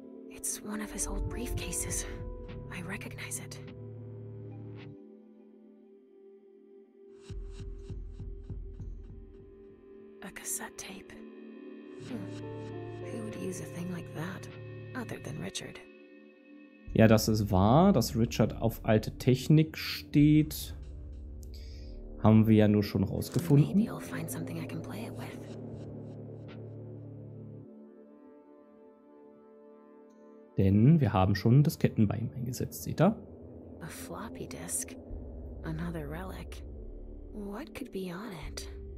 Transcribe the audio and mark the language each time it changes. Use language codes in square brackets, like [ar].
[en] It's one of his old briefcases. I recognize it. A cassette tape. Who would use a thing like that, other than Richard? [de] Ja, das ist wahr, dass Richard auf alte Technik steht. Haben wir ja nur schon rausgefunden. [en] Maybe I'll find something I can play it with. [de] Denn wir haben schon das Kettenbein eingesetzt, seht ihr? [en] A floppy disk. Another relic. What could be on it?